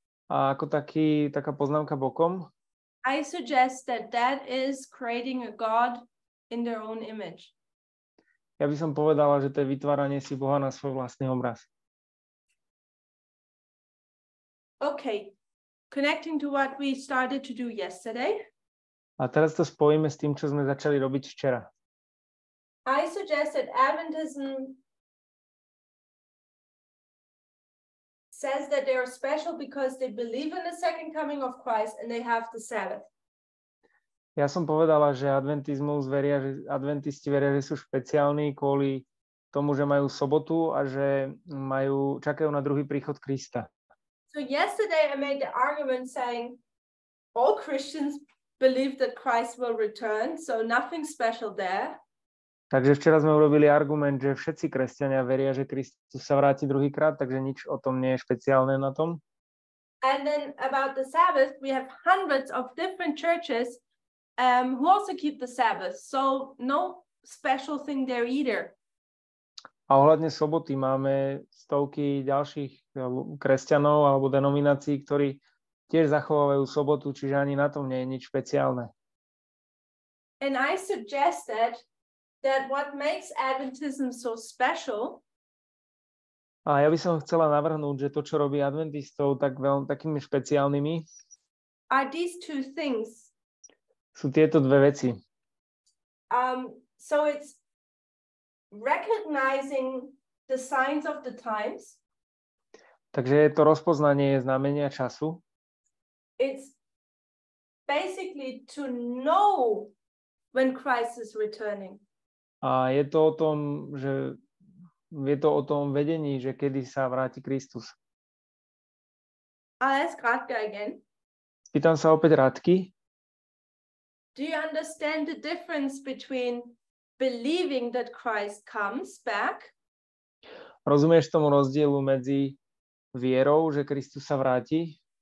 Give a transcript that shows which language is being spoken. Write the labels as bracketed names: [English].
[Slovak] a ako taká poznámka bokom, [English] I suggest that is creating a god in their own image. [Slovak] Ja by som povedala, že to je vytváranie si Boha na svoj vlastný obraz. [English] Okay. Connecting to what we started to do yesterday. [Slovak] A teraz to spojíme s tým, čo sme začali robiť včera. [English] I suggest that Adventism says that they are special because they believe in the second coming of Christ and they have the Sabbath. [Slovak] Ja som povedala, že adventizmus veria, že adventisti veria, že sú špeciálni kvôli tomu, že majú sobotu a že majú čakajú na druhý príchod Krista. [English] So yesterday I made the argument saying all Christians believe that Christ will return, so nothing special there. [Slovak] Takže včera sme urobili argument, že všetci kresťania veria, že Kristus sa vráti druhýkrát, takže nič o tom nie je špeciálne na tom. [English] And then about the Sabbath, we have hundreds of different churches who also keep the Sabbath, so no special thing there either. [Slovak] A ohľadne soboty máme stovky ďalších kresťanov alebo denominácií, ktorí tiež zachovávajú sobotu, čiže ani na tom nie je nič špeciálne. [English] And I suggested that what makes Adventism so special. [Slovak] A ja by som chcela navrhnúť, že to, čo robí adventistov tak veľmi takými špeciálnymi, [English] are these two things. [Slovak] Sú tieto dve veci. [English] So it's recognizing the signs of the times. [Slovak] Takže je to rozpoznanie znamenia času. [English] It's basically to know when Christ is returning. [Slovak] A je to o tom, že je to o tom vedení, že kedy sa vráti Kristus. [English] I'll ask Radka again. [Slovak] Pýtam sa opäť Radky. [English] Do you understand the difference between believing that Christ comes back? [Slovak] Rozumieš tomu rozdielu medzi vierou, že Kristus sa vráti?